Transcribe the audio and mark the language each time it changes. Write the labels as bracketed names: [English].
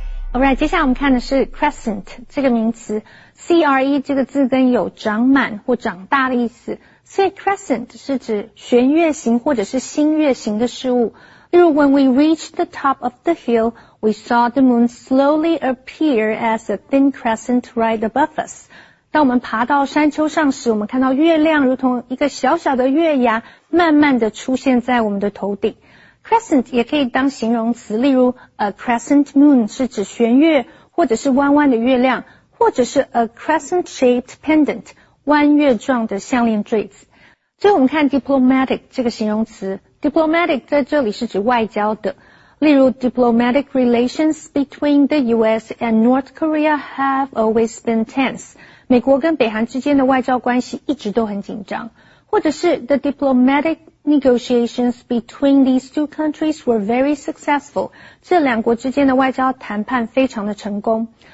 [English] All right, [Chinese] 接下来我们看的是 crescent 这个名词 ,CRE 这个字根有长满或长大的意思。所以 crescent 是指弦月形或者是星月形的事物。例如 [English] ,when we reached the top of the hill, we saw the moon slowly appear as a thin crescent right above us. [Chinese] 当我们爬到山丘上时我们看到月亮如同一个小小的月牙慢慢地出现在我们的头顶。 Crescent 也可以当形容词，例如 [English] a crescent moon [Chinese] 是指弦月，或者是弯弯的月亮，或者是 [English] a crescent shaped pendant [Chinese] 弯月状的项链坠子。最后我们看 diplomatic 这个形容词 ，diplomatic 在这里是指外交的，例如 [English] diplomatic relations between the U.S. and North Korea have always been tense， [Chinese] 美国跟北韩之间的外交关系一直都很紧张，或者是 [English] the diplomatic。 Negotiations between these two countries were very successful. [Chinese] 这两国之间的外交谈判非常的成功。